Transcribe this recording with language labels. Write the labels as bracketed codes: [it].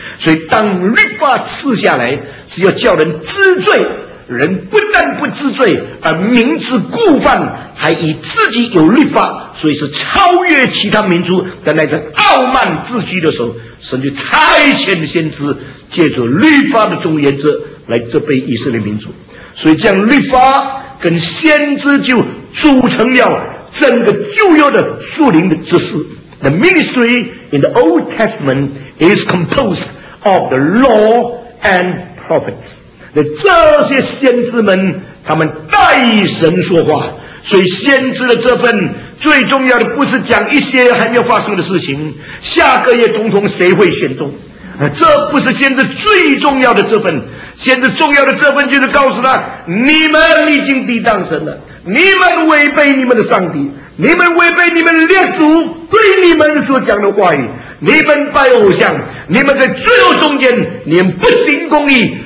[zh] 所以当律法赐下来是要叫人知罪，人不但不知罪，而明知故犯，还以自己有律法，所以是超越其他民族的那种傲慢自居的时候，神就差遣先知借助律法的总原则来责备以色列民族。所以这样律法跟先知就组成了整个旧约的属灵的知识。 [en] The ministry in the Old Testament is composed of the law and prophets。 [zh] 那这些先知们他们代神说话，所以先知的这份最重要的不是讲一些还没有发生的事情，下个月总统谁会选中，这不是先知最重要的这份，先知重要的这份就是告诉他，你们已经抵挡神了，你们违背你们的上帝，你们违背你们的列祖对你们所讲的话语，你们拜偶像，你们在罪恶中间，你们不行公义。